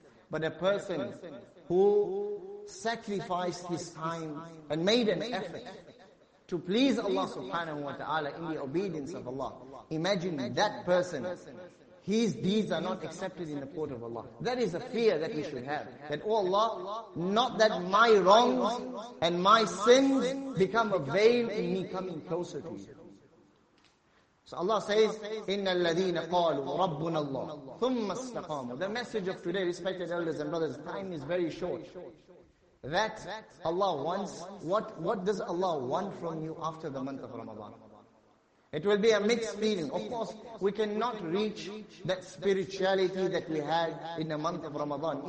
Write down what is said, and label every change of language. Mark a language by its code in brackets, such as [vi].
[en] But a person who sacrificed his time and made an effort to please Allah subhanahu wa ta'ala in the obedience of Allah, imagine that person, his deeds are not accepted in the court of Allah. That is a fear that we should have. That, oh Allah, not that my wrongs and my sins become a veil in me coming closer to you. So Allah says, [ar] إِنَّ الَّذِينَ قَالُوا رَبُّنَ اللَّهُ ثُمَّ اسْتَقَامُوا. [en] The message of today, respected elders and brothers, time is very short. That Allah wants, what does Allah want from you after the month of Ramadan? It will be a mixed feeling. Of course, we cannot reach that spirituality that we had in the month of Ramadan.